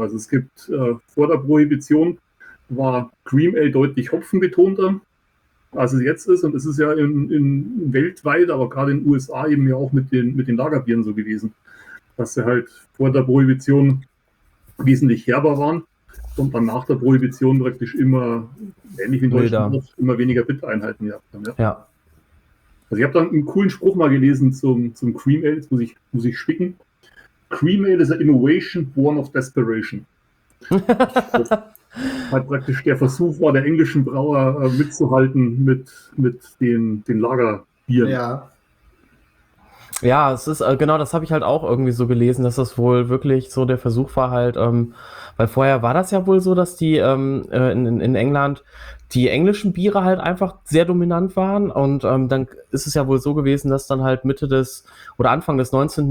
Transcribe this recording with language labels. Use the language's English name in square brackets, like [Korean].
[German] Also es gibt vor der Prohibition war Cream Ale deutlich hopfenbetonter, als es jetzt ist, und es ist ja in weltweit, aber gerade in den USA eben ja auch mit den Lagerbieren so gewesen, dass sie halt vor der Prohibition wesentlich herber waren und dann nach der Prohibition praktisch immer, ähnlich wie in Deutschland, noch immer weniger Bittereinheiten gehabt haben. Also ich habe dann einen coolen Spruch mal gelesen zum Cream Ale, jetzt muss ich spicken. [English] Cream Ale is an innovation born of desperation. [German] Halt praktisch der Versuch war, der englischen Brauer mitzuhalten mit den Lagerbieren. Ja, es ist genau, das habe ich halt auch irgendwie so gelesen, dass das wohl wirklich so der Versuch war halt, weil vorher war das ja wohl so, dass die in England die englischen Biere halt einfach sehr dominant waren, und dann ist es ja wohl so gewesen, dass dann halt Mitte des oder Anfang des 19.